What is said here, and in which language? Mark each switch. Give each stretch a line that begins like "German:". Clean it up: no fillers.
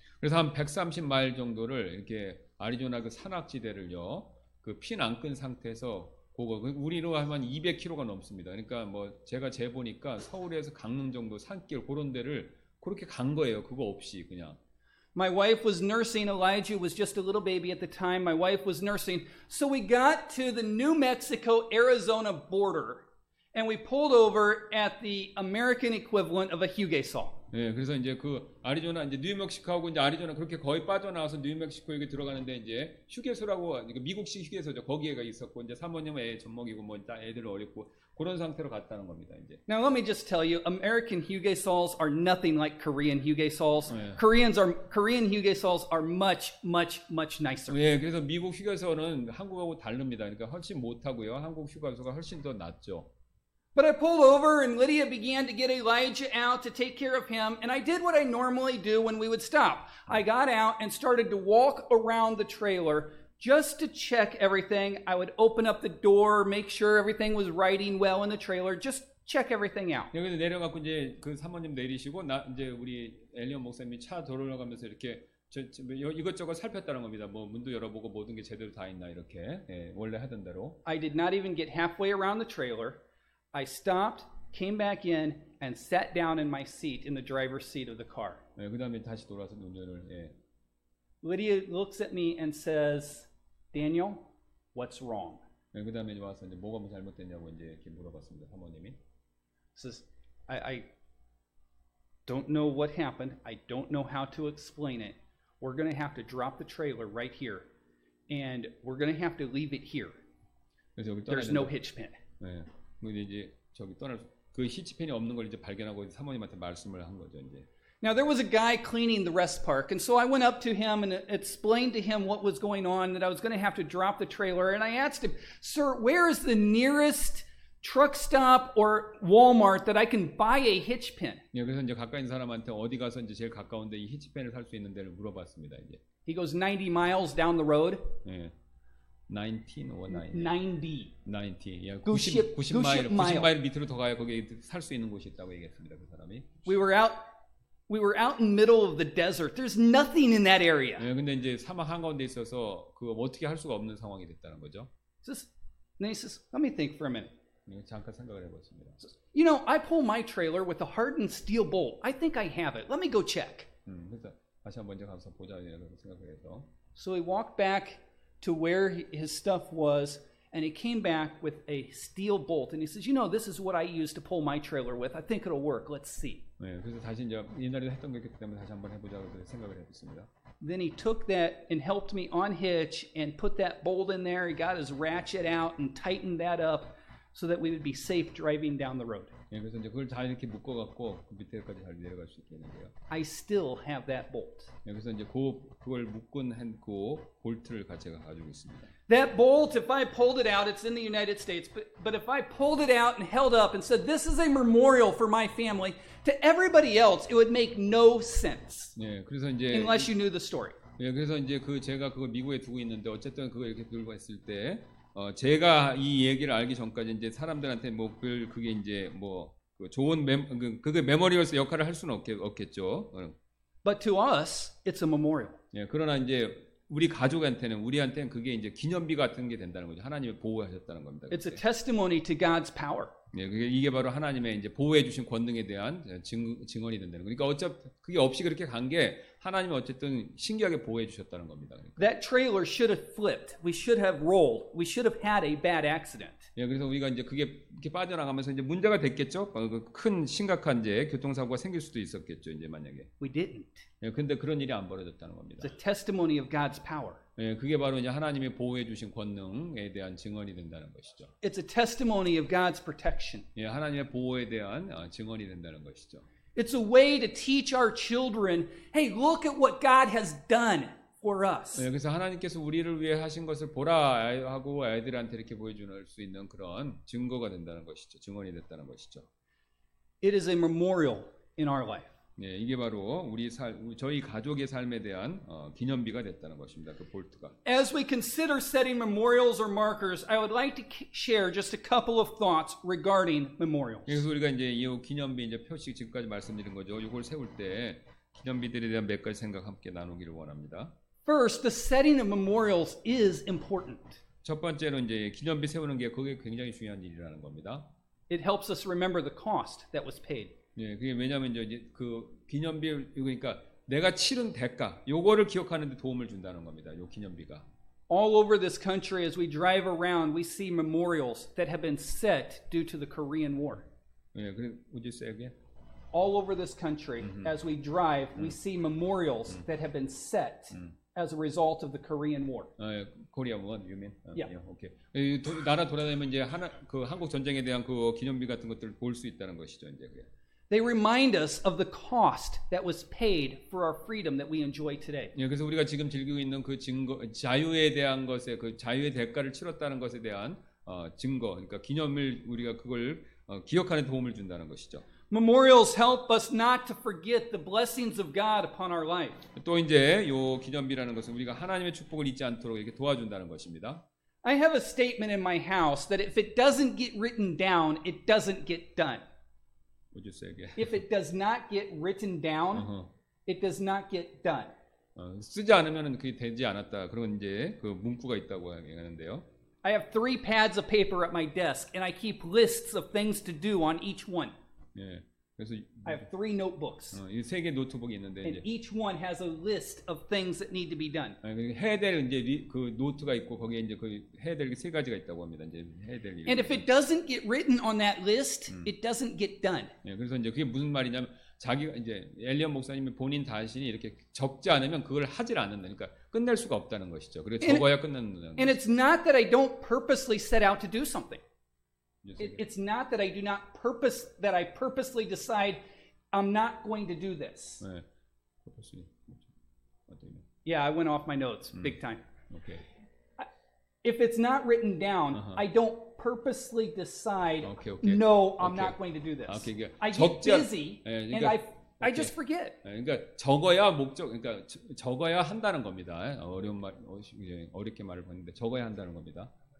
Korean: 그래서 한 130마일 정도를 이렇게 애리조나 그 산악지대를요. 그 핀 안 끈 상태에서 그거 우리로 하면 200km가 넘습니다. 그러니까 뭐 제가 재보니까 서울에서 강릉 정도 산길 그런 데를 그렇게 간 거예요. 그거 없이 그냥.
English: My wife was nursing. Elijah was just a little baby at the time. My wife was nursing. So we got to the New Mexico-Arizona border, and we pulled over at the American equivalent of a Huguesol.
Korean: 네, 그래서 이제 그 애리조나 이제 뉴멕시코하고 이제 애리조나 그렇게 거의 빠져나와서 뉴멕시코 여기 들어가는데 이제 휴게소라고 그러니까 미국식 휴게소죠. 거기에가 있었고 이제 사모님은 애 젖 먹이고 뭐 애들 어렸고 그런 상태로 갔다는 겁니다. 이제.
English: Now let me just tell you, American hugaesols are nothing like Korean hugaesols.
Korean: 네.
English: Korean hugaesols are much, much, much nicer.
Korean: 네, 그래서 미국 휴게소는 한국하고 다릅니다. 그러니까 훨씬 못하고요. 한국 휴게소가 훨씬 더 낫죠.
English: But I pulled over and Lydia began to get Elijah out to take care of him and I did what I normally do when we would stop. I got out and started to walk around the trailer just to check everything. I would open up the door, make sure everything was riding well in the trailer, just check everything out.
Korean: 여기서 내려가고 이제 그 사모님 내리시고 나 이제 우리 엘리언 목사님이 차 돌아가면서 이렇게 이것저것 살폈다는 겁니다. 뭐 문도 열어보고 모든 게 제대로 다 있나 이렇게 예, 원래 하던 대로.
English: I did not even get halfway around the trailer. I stopped, came back in, and sat down in my seat in the driver's seat of the car.
Korean: 네, 그다음에 다시 돌아서 운전을. 예.
English: Lydia looks at me and says, "Daniel, what's wrong?"
Korean: 네, 그다음에 와서 이제 뭐가 잘못됐냐고 이제 이렇게 물어봤습니다. 사모님이.
English: Says, "I don't know what happened. I don't know how to explain it. We're going to have to drop the trailer right here, and we're going to have to leave it here. There's no hitch pin."
Korean: 네. 이제 저기 떠날 그 히치펜이 없는 걸 이제 발견하고 사모님한테 말씀을 한 거죠 이제.
English: Now there was a guy cleaning the rest park, and so I went up to him and explained to him what was going on, that I was going to have to drop the trailer, and I asked him, "Sir, where is the nearest truck stop or Walmart that I can buy a hitch pin?"
Korean: 예, 그래서 이제 가까이 있는 사람한테 어디 가서 이제 제일 가까운데 이 히치펜을 살 수 있는 데를 물어봤습니다 이제.
English: He goes 90 miles down the road.
Korean: 예.
English: 90 miles
Korean: 밑으로 더 가야 거기 살 수 있는 곳이 있다고 얘기했습니다 그 사람이.
English: We were out in the middle of the desert. There's nothing in that area.
Korean: 네, 근데 이제 사막 한 가운데 있어서 그 어떻게 할 수가 없는 상황이 됐다는 거죠.
English: Says, let me think for a minute.
Korean: 네, 잠깐 생각을 해보겠습니다.
English: You know, I pull my trailer with a hardened steel bolt. I think I have it. Let me go check.
Korean: 그래서 다시 한번 이제 가서 보자라고 생각을 해서.
English: So he walked back to where his stuff was, and he came back with a steel bolt, and he says, "You know, this is what I use to pull my trailer with. I think it'll work. Let's see."
Korean: 네, 그래서 다시 이제 옛날에 했던 거 있기 때문에 다시 한번 해보자고 생각을 했습니다.
English: Then he took that and helped me unhitch and put that bolt in there. He got his ratchet out and tightened that up so that we would be safe driving down the road.
Korean: 네, 그래서 이제 그걸 잘 이렇게 묶어갖고 그 밑에까지 잘 내려갈 수 있겠는데요.
English: I still have that bolt.
Korean: 네, 그래서 이제 그걸 묶은 한 그 볼트를 제가 가지고 있습니다.
English: That bolt, if I pulled it out, it's in the United States, but if I pulled it out and held up and said, "This is a memorial for my family," to everybody else, it would make no sense.
Korean: 네, 그래서 이제
English: unless you knew the story.
Korean: 네, 그래서 이제 그 제가 그걸 미국에 두고 있는데 어쨌든 그걸 이렇게 들고 있을 때. 제가 이 얘기를 알기 전까지 이제 사람들한테 뭐 그게 이제 뭐 그 좋은 그게 메모리얼스 역할을 할 수는 없겠죠.
English: But to us, it's a memorial.
Korean: 예, 그러나 이제 우리 가족한테는 우리한테는 그게 이제 기념비 같은 게 된다는 거죠. 하나님이 보호하셨다는 겁니다. 그때.
English: It's a testimony to God's power.
Korean: 예, 그게 이게 바로 하나님의 이제 보호해 주신 권능에 대한 증언이 된다는 거니까 그러니까 어차피 그게 없이 그렇게 간 게 하나님이 어쨌든 신기하게 보호해 주셨다는 겁니다. 그러니까.
English: That trailer should have flipped. We should have rolled. We should have had a bad accident.
Korean: 예, 그래서 우리가 이제 그게 이렇게 빠져나가면서 이제 문제가 됐겠죠. 큰 심각한 이제 교통사고가 생길 수도 있었겠죠. 이제 만약에.
English: We didn't.
Korean: 예, 근데 그런 일이 안 벌어졌다는 겁니다.
English: It's a testimony of God's power.
Korean: 예, 그게 바로 이제 하나님이 보호해 주신 권능에 대한 증언이 된다는 것이죠.
English: It's a testimony of God's protection.
Korean: 예, 하나님의 보호에 대한 증언이 된다는 것이죠.
English: It's a way to teach our children, "Hey, look at what God has done for us."
Korean: 예, 그래서 하나님께서 우리를 위해 하신 것을 보라 하고 아이들한테 이렇게 보여줄 수 있는 그런 증거가 된다는 것이죠. 증언이 됐다는 것이죠.
English: It is a memorial in our life.
Korean: 네, 이게 바로 우리 저희 가족의 삶에 대한 기념비가 됐다는 것입니다. 그 볼트가.
English: As we consider setting memorials or markers, I would like to share just a couple of thoughts regarding memorials.
Korean: 그래서 우리가 이제 이 기념비 이제 표식 지금까지 말씀드린 거죠. 이걸 세울 때 기념비들에 대한 몇 가지 생각 함께 나누기를 원합니다.
English: First, the setting of memorials is important.
Korean: 첫 번째로 이제 기념비 세우는 게 그게 굉장히 중요한 일이라는 겁니다.
English: It helps us remember the cost that was paid.
Korean: 예, 그게 왜냐하면 이제 그 기념비 그러니까 내가 치른 대가 요거를 기억하는데 도움을 준다는 겁니다. 요 기념비가.
English: All over this country, as we drive around, we see memorials that have been set due to the Korean War.
Korean: 예, 그럼
English: would you say again? All over this country, as we drive, we see memorials that have been set as a result of the Korean War. Korea War, you mean? Yeah. Okay.
Korean: 나라 돌아다니면 이제 하나 그 한국 전쟁에 대한 그 기념비 같은 것들을 볼 수 있다는 것이죠, 이제 그게.
English: They remind us of the cost that was paid for our freedom that we enjoy today.
Korean: 예, 그래서 우리가 지금 즐기고 있는 그 증거, 자유에 대한 것에 그 자유의 대가를 치렀다는 것에 대한 증거, 그러니까 기념일 우리가 그걸 기억하는 도움을 준다는 것이죠.
English: Memorials help us not to forget the blessings of God upon our life.
Korean: 또 이제 요 기념비라는 것은 우리가 하나님의 축복을 잊지 않도록 이렇게 도와준다는 것입니다.
English: I have a statement in my house that if it doesn't get written down, it doesn't get done. Would you say again? If it does not get written down, it does not get done.
Korean: 쓰지 않으면은 그게 되지 않았다. 그런 이제 그 문구가 있다고 하는데요.
English: I have three pads of paper at my desk, and I keep lists of things to do on each one.
Korean: 예, 그래서
English: I have three notebooks.
Korean: 이 세 개 노트북이 있는데,
English: and
Korean: 이제,
English: each one has a list of things that need to be done.
Korean: 해야 될 이제 그 노트가 있고 거기에 이제 그 해야 될 세 가지가 있다고 합니다. 이제 해야 될 일.
English: And if it doesn't get written on that list, it doesn't get done.
Korean: 예, 그래서 이제 그게 무슨 말이냐면 자기 이제 엘리엇 목사님이 본인 자신이 이렇게 적지 않으면 그걸 하질 않는다. 그러니까 끝낼 수가 없다는 것이죠. 그래 적어야 끝낸다는 거죠.
English: And it's not that I don't purposely set out to do something. It's not that I do not purpose that I purposely decide I'm not going to do this.
Korean: 네.
English: Yeah, I went off my notes big time. Okay. If it's not written down, I don't purposely decide okay, okay. no, I'm okay. not going to do this.
Korean: Okay, 그러니까
English: I get
Korean: 적지 않...
English: busy
Korean: 네, 그러니까,
English: and I okay. I just forget.
Korean: 네, 그러니까 적어야 목적 그러니까 적어야 한다는 겁니다. 어려운 말 어렵게 말을 했는데 적어야 한다는 겁니다.